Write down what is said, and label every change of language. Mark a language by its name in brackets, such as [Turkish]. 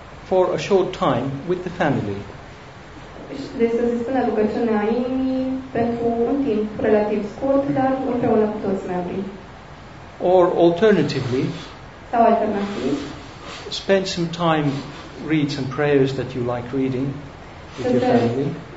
[English] For a short time with the family. [Romanian] Deci să se spună rugăciunea inimii pentru un timp relativ scurt, dar împreună cu toți membrii. [English] Or alternatively, [Romanian] sau alternativ, [English] spend some time, read some prayers that you like reading with your family.